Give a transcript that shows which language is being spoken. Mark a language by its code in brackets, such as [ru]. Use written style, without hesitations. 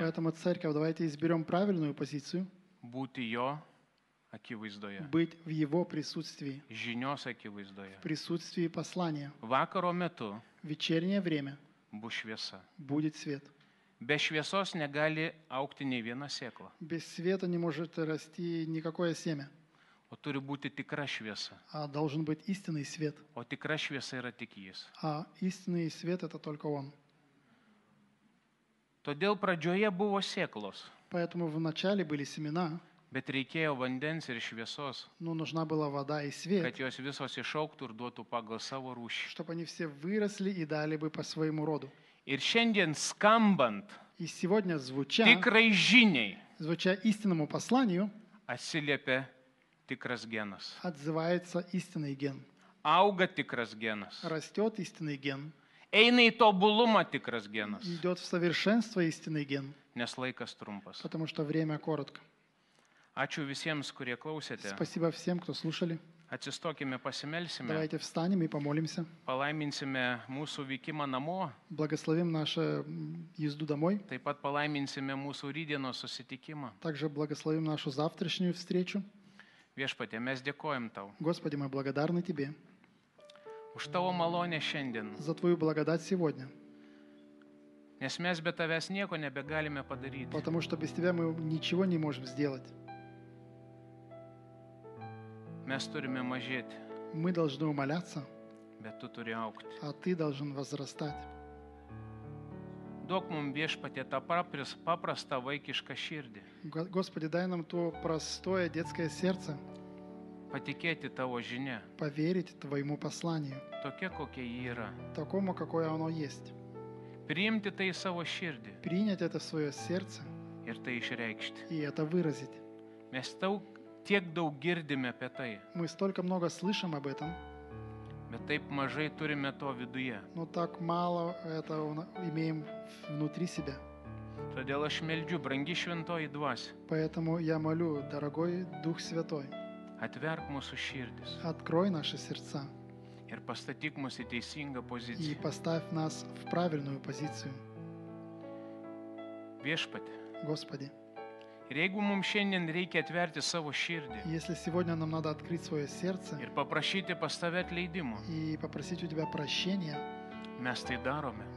[ru] Поэтому церковь, давайте изберем правильную позицию. [lt] Būti jo akivaizdoje. [ru] Быть в его присутствии. [lt] Žinios akivaizdoje. [ru] В присутствии послания. [lt] Vakaro metu. [ru] Вечернее время. [lt] Bus šviesa. [ru] Будет свет. [lt] Be šviesos negali aukti nei viena sėkla. [ru] Без света не может расти никакое семя. [lt] O turi būti tikra šviesa. [ru] А должен быть истинный свет. [lt] O tikra šviesa yra tik jis. [ru] А истинный свет это только он. [lt] Todėl pradžioje buvo sėklos. [ru] Поэтому в начале были семена. [lt] Bet reikėjo vandens ir šviesos. [ru] Ну, нужна была вода и свет. [lt] Kad jos visos išauktų ir duotų pagal savo rūšį. [ru] Чтобы они все выросли и дали бы по своему роду. [lt] Ir šiandien skambant. [ru] И сегодня звуча. [lt] Tikrai žiniai. [ru] Звуча истинному посланию. [lt] Atsiliepia tikras genas. [ru] Отзывается истинный ген. [lt] Auga tikras genas. [ru] Растёт истинный ген. [lt] Eina į tobulumą tikras genas. [ru] Идёт в совершенство истинный ген. [lt] Nes laikas trumpas. [ru] Потому что время коротко. [lt] Ačiū visiems, kurie klausėte. [ru] Спасибо всем, кто слушали. [lt] Atsistokime, pasimelsime. [ru] Давайте встанем и помолимся. [lt] Palaiminsime mūsų vykimą namo. [ru] Благословим нашу езду домой. [lt] Taip pat palaiminsime mūsų rydieno susitikimą. [ru] Также благословим нашу завтрашнюю встречу. [lt] Viešpatie, mes dėkojam tau. [ru] Господи, мы благодарны тебе. [lt] Už tavo malonę šiandien. [ru] За твою благодать сегодня. [lt] Nes mes be tavęs nieko nebegalime padaryti. [ru] Потому что без тебя мы ничего не можем сделать. [lt] Mes turime mažėti. [ru] Мы должны умоляться. [lt] Bet tu turi aukti. [ru] А ты должен возрастать. [lt] Duok mums, Viešpatie, tą paprastą vaikišką širdį. [ru] Господи, дай нам то простое детское сердце. [lt] Patikėti tavo žinia. [ru] Поверить твоему посланию. [lt] Tokia, kokia ji yra. [ru] Такому, какое оно есть. [lt] Приimti tai savo širdį. [ru] Принять это в свое сердце. [lt] Ir tai išreikšti. [ru] И это выразить. [lt] Mes tau tiek daug girdime apie tai. [ru] Мы столько много слышим об этом. [lt] Bet taip mažai turime to viduje. [ru] Но так мало это имеем внутри себя. [lt] Todėl aš meldžiu, brangi šventoji dvasia. [ru] Поэтому я молю, дорогой Дух Святой. [lt] Atverk mūsų širdis. [ru] Открой наши сердца. [lt] Ir pastatyk mus į teisingą poziciją. [ru] И поставь нас в правильную позицию. [lt] Viešpatie. [ru] Господи. [lt] Ir jeigu mums šiandien reikia atverti savo širdį ir paprašyti pas tave atleidimo, mes tai darome.